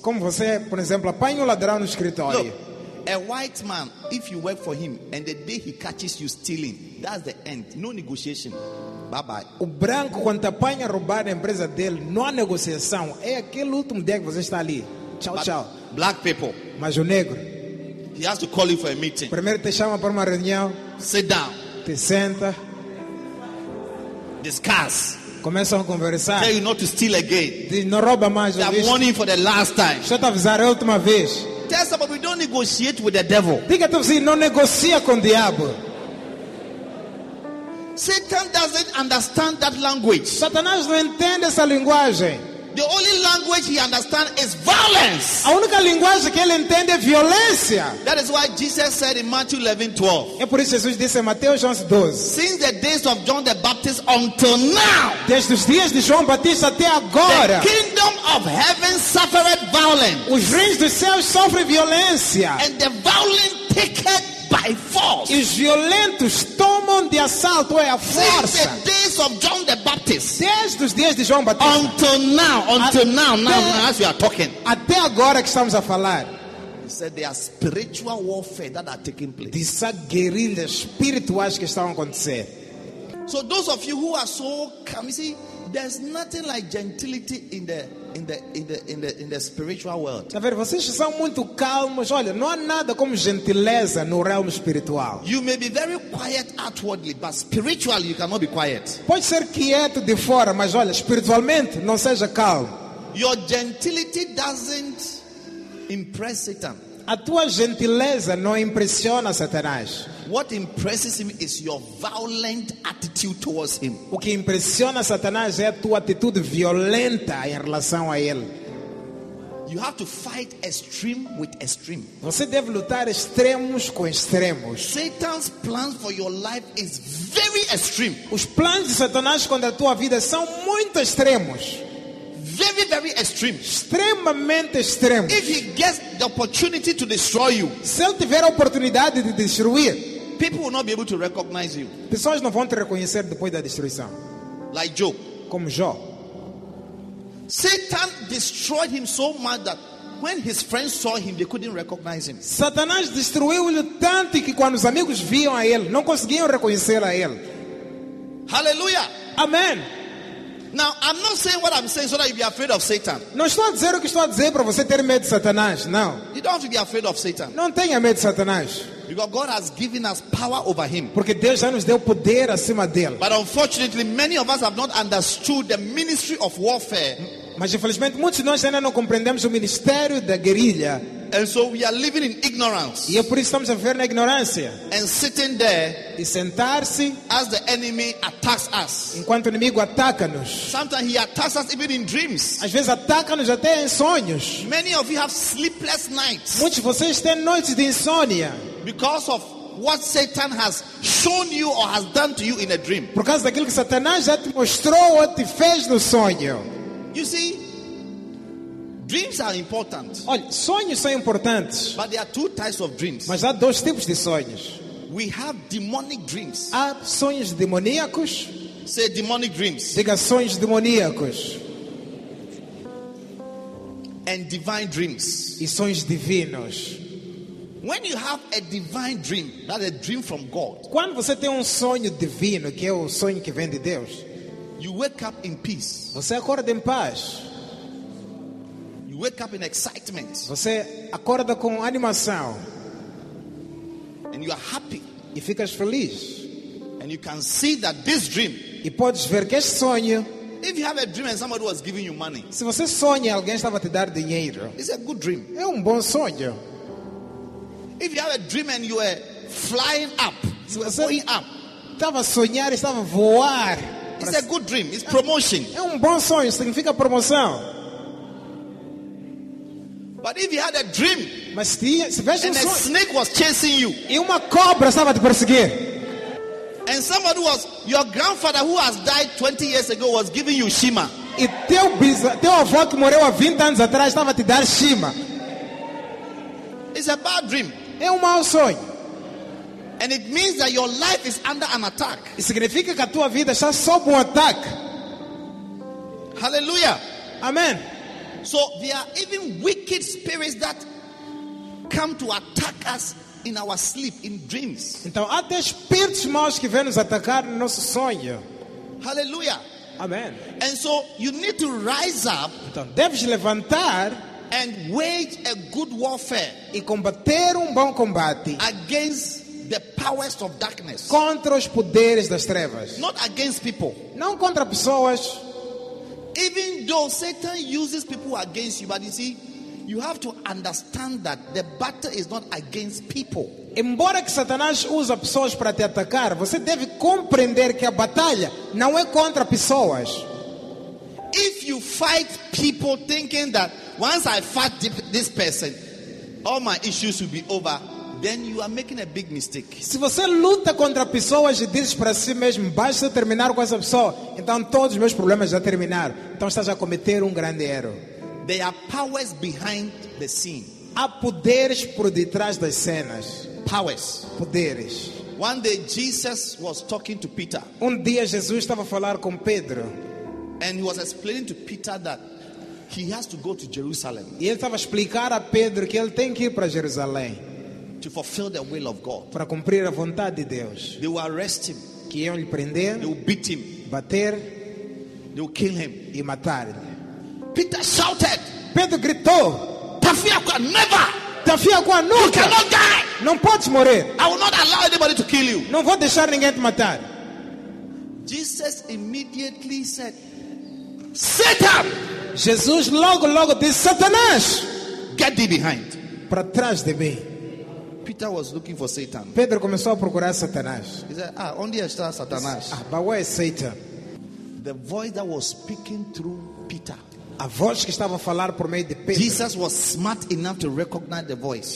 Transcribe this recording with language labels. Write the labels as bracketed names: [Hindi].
[Portuguese] Como você, por exemplo, apanha ladrão no escritório. [English] Look, a white man, if you work for him and the day he catches you stealing, that's the end. No negotiation. Bye bye. [Portuguese] O branco, quando apanha roubar a empresa dele, não há negociação. É aquele último dia que você está ali. Tchau, [English] but [Portuguese] tchau. [English] Black people. [Portuguese] Mas o negro. [English] He has to call you for a meeting. [Portuguese] Primeiro te chama para uma reunião. [English] Sit down. [Portuguese] Te senta. [English] Discuss. [Portuguese] Começam a conversar. [English] Tell you not to steal again. [Portuguese] Não rouba mais. [English] They are warning for the last time. [Portuguese] Deixa eu te avisar a última vez. [English] Tell somebody, don't negotiate with the devil. [Portuguese] Diga a você, não negocia com o diabo. [English] Satan doesn't understand that language. [Portuguese] Satanás não entende essa linguagem. [English] The only language he understands is violence. [Portuguese] A única linguagem que ele entende é violência. [English] That is why Jesus said in Matthew 11:12. [Portuguese] É por isso Jesus disse em Mateus 11:12. [English] Since the days of John the Baptist until now. [Portuguese] Desde os dias de João Batista até agora. [English] The kingdom of heaven suffered violence. [Portuguese] Os reinos dos céus sofrem violência. [English] And the violent take it by force. [Portuguese] E os violentos tomam de assalto é a força. [English] Of John the Baptist. [Portuguese] Desde os dias de João Batista. [English] Until now, as we are talking. [Portuguese] Até agora que estamos a falar. [English] He said there are spiritual warfare that are taking place. [Portuguese] Dessa guerrilha espirituais que estão a acontecer. [English] So those of you who are so calm, you see, there's nothing like gentility in the spiritual world. [Portuguese] Tá vendo? Vocês são muito calmos. Olha, não há nada como gentileza no reino espiritual. [English] You may be very quiet outwardly, but spiritually you cannot be quiet. [Portuguese] Pode ser quieto de fora, mas olha, espiritualmente não seja calmo. [English] Your gentility doesn't impress Satan. [Portuguese] A tua gentileza não impressiona Satanás. [English] What impresses him is your violent attitude towards him. [Portuguese] O que impressiona Satanás é a tua atitude violenta em relação a ele. [English] You have to fight extreme with extreme. [Portuguese] Você deve lutar extremos com extremos. [English] Satan's plan for your life is very extreme. [Portuguese] Os planos de Satanás contra a tua vida são muito extremos. [English] Very, very extreme. [Portuguese] Extremamente extremo. [English] If he gets the opportunity to destroy you, [Portuguese] se ele tiver a oportunidade de destruir, [English] people will not be able to recognize you. [Portuguese] Pessoas não vão te reconhecer depois da destruição. [English] Like Job. [Portuguese] Como Jó. [English] Satan destroyed him so much that when his friends saw him, they couldn't recognize him. [Portuguese] Satanás destruiu-lhe tanto que quando os amigos viam a ele, não conseguiam reconhecer a ele. Hallelujah. Amen. [English] Now, I'm not saying what I'm saying so that you be afraid of Satan. [Portuguese] Não estou a dizer o que estou a dizer para você ter medo de Satanás. Não. [English] You don't have to be afraid of Satan. [Portuguese] Não tenha medo de Satanás. [English] Because God has given us power over him. [Portuguese] Porque Deus já nos deu poder acima dele. [English] But unfortunately, many of us have not understood the ministry of warfare. [Portuguese] Mas infelizmente muitos de nós ainda não compreendemos o ministério da guerrilha. [English] And so we are living in ignorance. [Portuguese] E por isso estamos a viver na ignorância. [English] And sitting there, [Portuguese] e sentar-se, [English] as the enemy attacks us. [Portuguese] Enquanto o inimigo ataca-nos. [English] Sometimes he attacks us even in dreams. [Portuguese] Às vezes ataca-nos até em sonhos. [English] Many of you have sleepless nights. [Portuguese] Muitos de vocês têm noites de insônia. [English] Because of what Satan has shown you or has done to you in a dream. [Portuguese] Por causa daquilo que Satanás já te mostrou ou te fez no sonho. [English] You see, dreams are important. [Portuguese] Olha, sonhos são importantes. [English] But there are two types of dreams. [Portuguese] Mas há dois tipos de sonhos. [English] We have demonic dreams. [Portuguese] Há sonhos demoníacos. [English] Say demonic dreams. [Portuguese] Diga sonhos demoníacos. [English] And divine dreams. [Portuguese] E sonhos divinos. [English] When you have a divine dream, that's a dream from God. [Portuguese] Quando você tem sonho divino, que é sonho que vem de Deus, [English] you wake up in peace. [Portuguese] Você acorda em paz. [English] You wake up in excitement. [Portuguese] Você acorda com animação. [English] And you are happy. [Portuguese] E ficas feliz. [English] And you can see that this dream. [Portuguese] E podes ver que este sonho. [English] If you have a dream and somebody was giving you money. [Portuguese] Se você sonha e alguém estava a te dar dinheiro. [English] It's a good dream. [Portuguese] É bom sonho. [English] If you have a dream and you are flying up, going up, [Portuguese] estava a sonhar e estava a voar. [English] It's a good dream. It's promotion. [Portuguese] É bom sonho. Significa promoção. [English] But if you had a dream, [Portuguese] mas se [English] and a snake was chasing you, [Portuguese] e uma cobra estava a te perseguir, [English] and somebody was your grandfather who has died 20 years ago was giving you shima, [Portuguese] e teu avô que morreu há 20 anos atrás estava a te dar shima. [English] It's a bad dream. [Portuguese] É mau sonho. [English] And it means that your life is under an attack. [Portuguese] E significa que a tua vida está sob ataque. Hallelujah. Amen. [English] So there are even wicked spirits that come to attack us in our sleep, in dreams. [Portuguese] Então há até espíritos maus que vêm nos atacar no nosso sonho. Hallelujah. Amen. [English] And so you need to rise up. [Portuguese] Então deves levantar. [English] And wage a good warfare. [Portuguese] E combater bom combate. [English] Against the powers of darkness. [Portuguese] Contra os poderes das trevas. [English] Not against people. [Portuguese] Não contra pessoas. [English] Even though Satan uses people against you, but you see, you have to understand that the battle is not against people. [Portuguese] Embora que Satanás use pessoas para te atacar, você deve compreender que a batalha não é contra pessoas. [English] If you fight people thinking that once I fight this person, all my issues will be over, then you are making a big mistake. [Portuguese] Se você luta contra pessoas e diz para si mesmo, basta terminar com essa pessoa, então todos os meus problemas já terminaram. Então estás a cometer grande erro. [English] There are powers behind the scene. [Portuguese] Há poderes por detrás das cenas. [English] Powers. [Portuguese] Poderes. [English] One day Jesus was talking to Peter. [Portuguese] Dia Jesus estava a falar com Pedro. [English] And he was explaining to Peter that he has to go to Jerusalem. [Portuguese] E ele estava a explicar a Pedro que ele tem que ir para Jerusalém. [English] To fulfill the will of God. [Portuguese] Para cumprir a vontade de Deus. [English] They will arrest him. [Portuguese] Que iam lhe prender. [English] They will beat him. [Portuguese] Bater. [English] They will kill him. [Portuguese] E matar-lhe. [English] Peter shouted. [Portuguese] Pedro gritou. [English] Tafiaqua, never. [Portuguese] Tafiaqua, nunca. [English] You cannot die. [Portuguese] Não podes morrer. [English] I will not allow anybody to kill you. [Portuguese] Não vou deixar ninguém te matar. [English] Jesus immediately said, Satan. [Portuguese] Jesus logo disse, Satanás. [English] Get thee behind. [Portuguese] para trás de mim. [English] Peter was looking for Satan. [Portuguese] Pedro começou a procurar Satanás. [English] He said, ah, [Portuguese] onde está Satanás? [English] Ah, but where is Satan? The voice that was speaking through Peter. [Portuguese] A voz que estava a falar por meio de Pedro. [English] Jesus was smart enough to recognize the voice.